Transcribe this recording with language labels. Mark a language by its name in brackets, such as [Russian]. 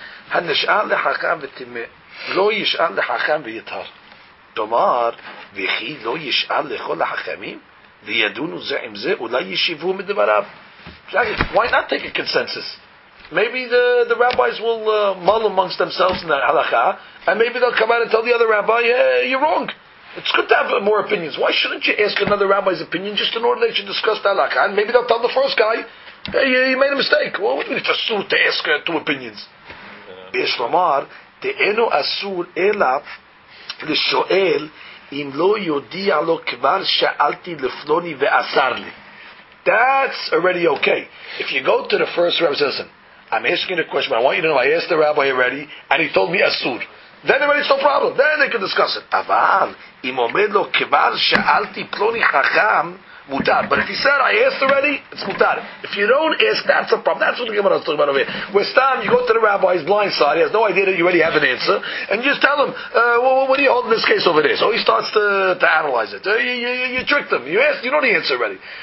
[Hebrew] הנשאל לחכם ותימא, לא ישאל לחכם ויתר. תאמר, וכי לא ישאל לכל החכמים, וידונו זה עם זה, אולי ישיבו מדבריו. [English] Why not take a consensus? Maybe the rabbis will mull amongst themselves in the halakha, and maybe they'll come out and tell the other rabbi, hey, you're wrong. It's good to have more opinions. Why shouldn't you ask another rabbi's opinion just in order that you should discuss the halakha? And maybe they'll tell the first guy, hey, you made a mistake. Well, what do you mean, it's a suit to ask two opinions? [Hebrew] ויש לומר, תאינו אסור אלא לשואל אם לא יודיע לו כבר שאלתי לפלוני ואסר לי. [English] That's already okay. If you go to the first rabbi, say, listen, I'm asking a question, I want you to know, I asked the rabbi already, and he told me אסור. Then already it's no problem. Then they can discuss it. [Hebrew] אבל, אם אומר לו כבר שאלתי פלוני חכם, mutar. [English] But if he said, I asked already, it's mutar. If you don't ask, that's a problem. That's what the Gemara is talking about over here. Where Stam, you go to the rabbi, he's blindsided, he has no idea that you already have an answer, and you just tell him, well, what are you holding this case over there? So he starts to analyze it. You tricked him. You asked, you know the answer already.